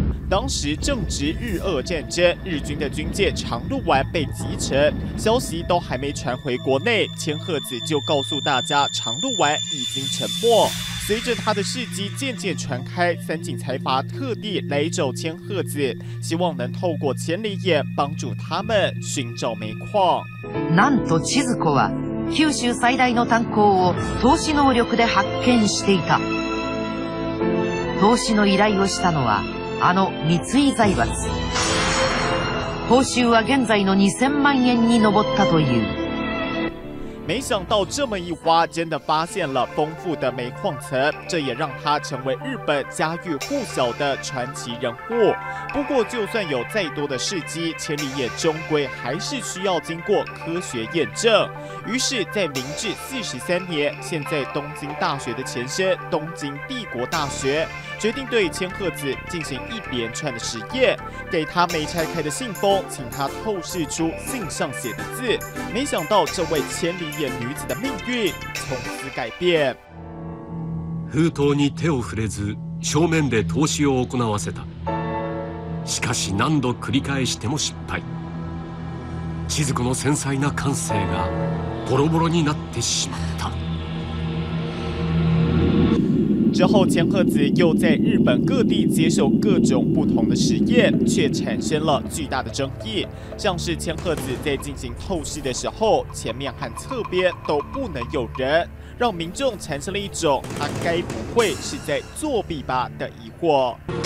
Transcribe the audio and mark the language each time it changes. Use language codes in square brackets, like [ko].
[zh] 当时正值日俄战争，日军的军舰长鹿丸被击沉，消息都还没传回国内，千鹤子就告诉大家长鹿丸已经沉没。随着他的事迹渐渐传开，三井财阀特地来找千鹤子，希望能透过千里眼帮助他们寻找煤矿。 [ja] なんと千鶴子は九州最大の炭鉱を透視能力で発見していた。透視の依頼をしたのは。あの三井財閥報酬は現在の2000万円に上ったという。 [zh] 没想到这么一挖真的发现了丰富的煤矿层，这也让他成为日本家喻户晓的传奇人物。不过就算有再多的事迹，千里眼终归还是需要经过科学验证。于是在明治43年，现在东京大学的前身东京帝国大学决定对千鹤子进行一连串的实验，给他没拆开的信封，请他透视出信上写的字。没想到这位千里眼女子的命运从此改变。 [ja] 封筒に手を触れず正面で透視を行わせた。しかし何度繰り返しても失敗。千鶴子の繊細な感性がボロボロになってしまった。 [zh] 之后，千鹤子又在日本各地接受各种不同的实验，却产生了巨大的争议。像是千鹤子在进行透视的时候，前面和侧边都不能有人，让民众产生了一种他该不会是在作弊吧的疑惑。